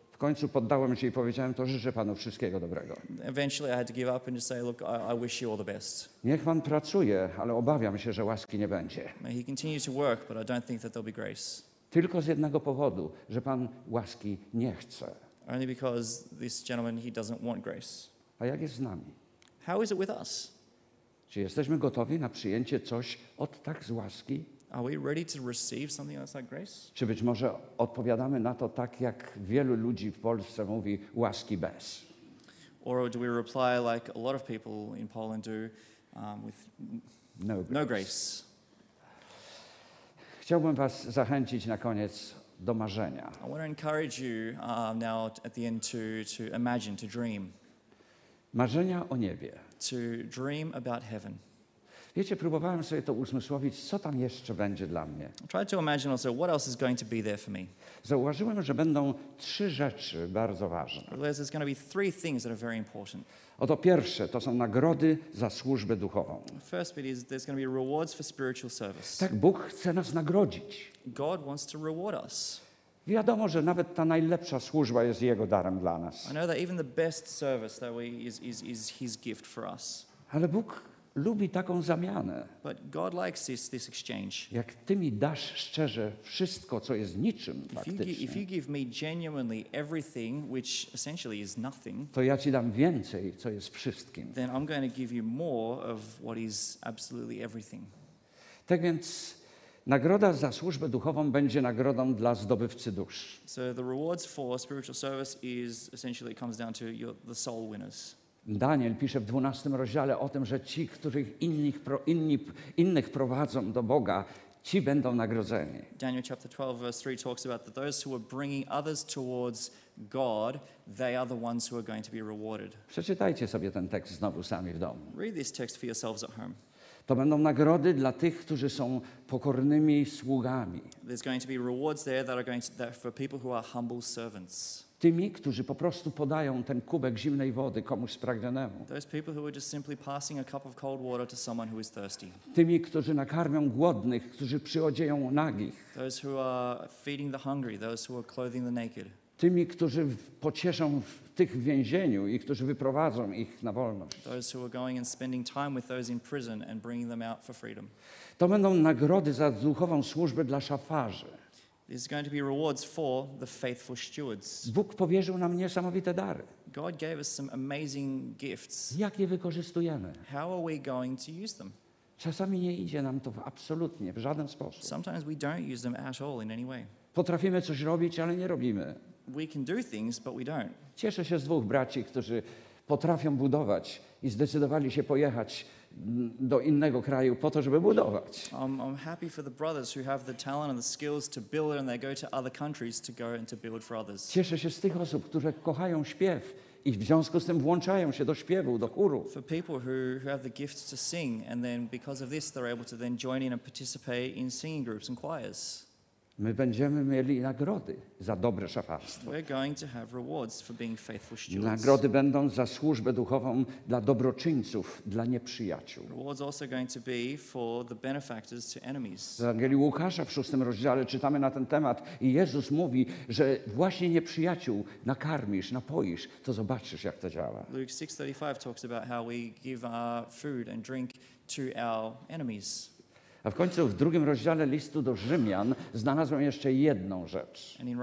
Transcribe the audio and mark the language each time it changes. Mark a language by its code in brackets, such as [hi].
[pl] W końcu poddałem się i powiedziałem: to życzę panu wszystkiego dobrego. [en] Eventually I had to give up and just say, look, I wish you all the best. [pl] Niech pan pracuje, ale obawiam się, że łaski nie będzie. [en] May he continue to work, but I don't think that there'll be grace. [pl] Tylko z jednego powodu, że pan łaski nie chce. [en] Only because this gentleman, he doesn't want grace. [pl] A jak jest z nami? [en] How is it with us? [pl] Czy jesteśmy gotowi na przyjęcie coś od tak z łaski? [en] Are we ready to receive something that's like grace? [pl] Czy być może odpowiadamy na to tak, jak wielu ludzi w Polsce mówi: łaski bez? [en] Or do we reply like a lot of people in Poland do, with no grace. No grace? [pl] Chciałbym was zachęcić na koniec do marzenia. [en] I want to encourage you now at the end to imagine, to dream. [pl] Marzenia o niebie. [en] To dream about heaven. [pl] Wiecie, próbowałem sobie to uzmysłowić, co tam jeszcze będzie dla mnie. [en] Try to imagine also what else is going to be there for me. [pl] Zauważyłem, że będą trzy rzeczy bardzo ważne. [en] There's going to be three things that are very important. [pl] Oto pierwsze, to są nagrody za służbę duchową. [en] First bit is there's going to be rewards for spiritual service. [pl] Tak, Bóg chce nas nagrodzić. [en] God wants to reward us. [pl] Wiadomo, że nawet ta najlepsza służba jest Jego darem dla nas. [en] I know that even the best service that we is His gift for us. [pl] Ale Bóg lubi taką zamianę. [en] But God likes this exchange. [pl] Jak ty mi dasz szczerze wszystko, co jest niczym faktycznie. [en] If you give me genuinely everything, which essentially is nothing, [pl] to ja ci dam więcej, co jest wszystkim. [en] Then I'm going to give you more of what is absolutely everything. [pl] Tak więc nagroda za służbę duchową będzie nagrodą dla zdobywcy dusz. [en] So the rewards for spiritual service is essentially comes down to the soul winners. [pl] Daniel pisze w 12 rozdziale o tym, że ci, których innych prowadzą do Boga, ci będą nagrodzeni. [en] Daniel chapter 12 verse 3 talks about that those who are bringing others towards God, they are the ones who are going to be rewarded. [pl] Przeczytajcie sobie ten tekst znowu sami w domu. [en] Read this text for yourselves at home. [pl] To będą nagrody dla tych, którzy są pokornymi sługami. [en] There's going to be rewards there that are going to that for people who are humble servants. [pl] Tymi, którzy po prostu podają ten kubek zimnej wody komuś spragnionemu. [en] Those people who are just simply passing a cup of cold water to someone who is thirsty. [pl] Tymi, którzy nakarmią głodnych, którzy przyodzieją nagich. [en] Those who are feeding the hungry, those who are clothing the naked. [pl] Tymi, którzy pocieszą tych w więzieniu i którzy wyprowadzą ich na wolność. [en] Those who are going and spending time with those in prison and bringing them out for freedom. [pl] To będą nagrody za duchową służbę dla szafarzy. [en] There's going to be rewards for the faithful stewards. [pl] Bóg powierzył nam niesamowite dary. [en] God gave us some amazing gifts. [pl] Jak je wykorzystujemy? [en] How are we going to use them? [pl] Czasami nie idzie nam to absolutnie, w żaden sposób. [en] Sometimes we don't use them at all in any way. [pl] Potrafimy coś robić, ale nie robimy. [en] We can do things, but we don't. [pl] Cieszę się z dwóch braci, którzy potrafią budować i zdecydowali się pojechać do innego kraju po to, żeby budować. [en] I'm happy for the brothers who have the talent and the skills to build and they go to other countries to go and to build for others. [pl] Cieszę się z tych osób, które kochają śpiew i w związku z tym włączają się do śpiewu, do chóru. [en] For people who have the gift to sing and then because of this they're able to then join in and participate in singing groups and choirs. [pl] My będziemy mieli nagrody za dobre szafarstwo. [en] We're going to have rewards for being faithful stewards. [pl] Nagrody będą za służbę duchową dla dobroczyńców, dla nieprzyjaciół. [en] Rewards also going to be for the benefactors to enemies. [pl] W Ewangelii Łukasza w 6 rozdziale czytamy na ten temat i Jezus mówi, że właśnie nieprzyjaciół nakarmisz, napoisz, to zobaczysz, jak to działa. [en] Luke 6:35 talks about how we give our food and drink to our enemies. [pl] A w końcu w drugim rozdziale listu do Rzymian znalazłem jeszcze jedną rzecz.